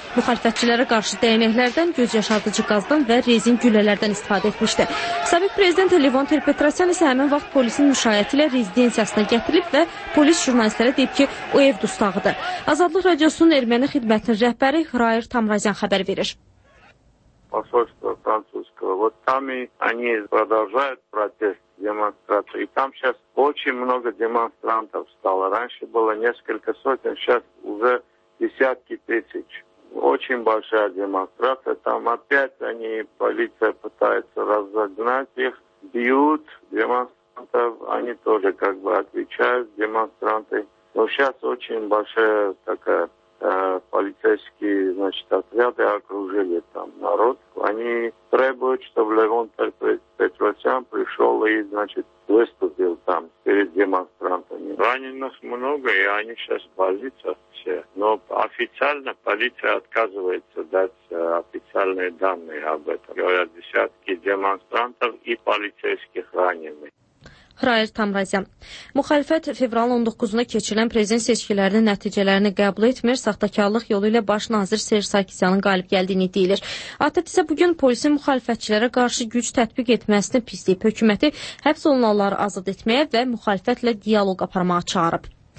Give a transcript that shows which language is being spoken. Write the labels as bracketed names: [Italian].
[Azerbaijani] Müxalifətçilərə qarşı dəyənəklərdən, göz yaşardıcı qazdan və rezin güllələrdən istifadə etmişdi. Sabiq prezident Levante Petrosyan isə həmin vaxt polisin müşayiəti ilə rezidensiyasına gətirilib və polis jurnalistlərə deyib ki, o ev dustağıdır. Azadlıq Radiosunun erməni xidmətinin rəhbəri Rayır Tamrazyan xəbər verir. [Russian] Посольство французского. Вот там и они продолжают протест, демонстрацию. И там сейчас очень много демонстрантов стало. Раньше было несколько сотен, сейчас уже десятки тысяч. Очень большая демонстрация. Там опять они, полиция пытается разогнать их, бьют демонстрантов. Они тоже как бы отвечают, демонстранты. Но сейчас очень большая такая... полицейские, значит, отряды окружили там народ. Они требуют, чтобы Левон Петросян пришел и, значит, выступил там перед демонстрантами. Раненых много, и они сейчас в больницах все. Но официально полиция отказывается дать официальные данные об этом. Говорят, десятки демонстрантов и полицейских раненых. [Azerbaijani] Rayır Tamrazyan. Müxalifət fevralın 19-una keçirilən prezident seçkilərinin nəticələrini qəbul etmir, saxtakarlıq yolu ilə baş nazir Serj Sarkisyanın qalib gəldiyini deyilir. ATƏT isə bugün polisin müxalifətçilərə qarşı güc tətbiq etməsini pisləyib, hökuməti həbs olunanları azad etməyə və müxalifətlə dialoq aparmağa çağırıb.